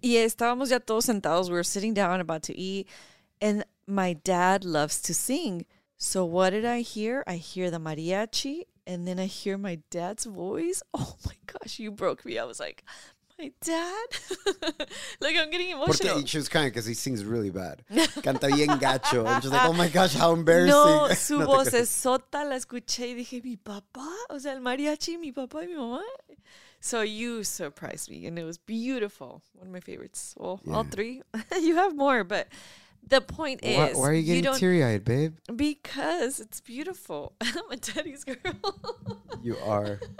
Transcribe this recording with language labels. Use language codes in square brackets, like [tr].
[es] Y estábamos ya todos sentados. [en] We were sitting down about to eat. And my dad loves to sing. So what did I hear? I hear the mariachi, and then I hear my dad's voice. Oh my gosh, you broke me. I was like, my dad? Like, I'm getting emotional. Porque she was crying because he sings really bad. [es] Canta bien gacho. [en] I'm just like, oh my gosh, how embarrassing. [es] No, su vocesota la escuché y dije, mi papá? O sea, el mariachi, mi papá y mi mamá? [en] So you surprised me, and it was beautiful. One of my favorites. Well, yeah. All three. You have more, but... The point is, why are you getting teary-eyed, babe? Because it's beautiful. I'm a daddy's girl. You are.